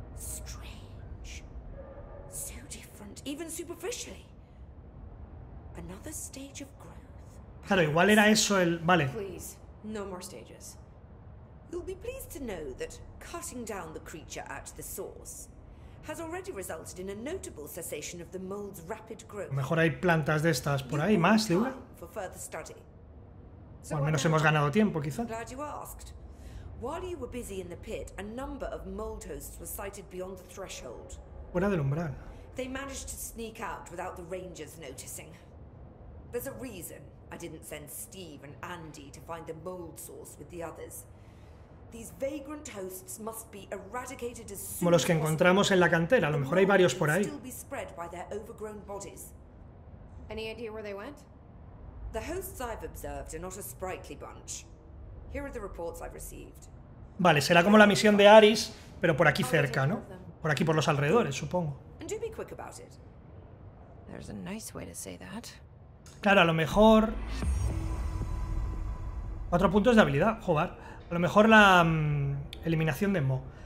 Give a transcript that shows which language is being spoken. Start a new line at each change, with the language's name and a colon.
English: Strange. So different, even superficially. Another stage of growth.
Spanish: Claro, igual era eso el... Vale.
English: Please, no more stages. You'll be pleased to know that cutting down the creature at the source has already resulted in a notable cessation of the mold's rapid growth.
Spanish: Mejor hay plantas de estas por ahí, más de una.
English: For further study.
Spanish: O al menos hemos ganado tiempo, quizá.
English: Glad you asked. While you were busy in the pit, a number of mold hosts were sighted beyond the threshold.
Spanish: Fuera del umbral.
English: They managed to sneak out without the rangers noticing. There's a reason I didn't send Steve and Andy to find the mold source with the others. These vagrant hosts must be eradicated as soon as possible.
Spanish: Los que encontramos en la cantera, a lo mejor hay varios por ahí.
English: Still be spread by their overgrown bodies. Any idea where they went? The hosts I've observed are not a sprightly bunch. Here are the reports I've received.
Spanish: Vale, será como la misión de Aris, pero por aquí cerca, ¿no? Por aquí por los alrededores, supongo.
English: And do be quick about it. There's a nice way to say that.
Spanish: Claro, a lo mejor... 4 puntos de habilidad, joder. A lo mejor la... eliminación de Mo.